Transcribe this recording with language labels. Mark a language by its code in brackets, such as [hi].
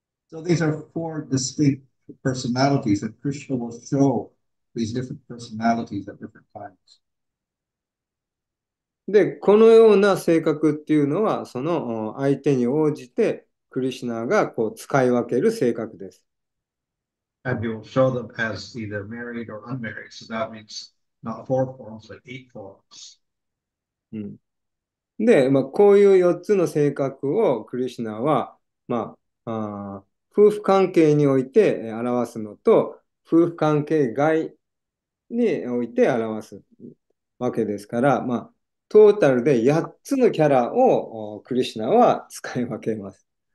[en] So these are four distinct personalities, and Krishna will show these different personalities at different times. [ja] で、このような性格っていうのは、その相手に応じて、クリシュナがこう使い分ける性格です。 [en] And you will show them as either married or unmarried. So that means not four forms, but eight forms. [ja] で、まあ、こういう4つの性格をクリシュナは、まあ、夫婦関係において表すのと、夫婦関係外において表すわけですから、まあ、トータルで8つのキャラをクリシュナは使い分けます。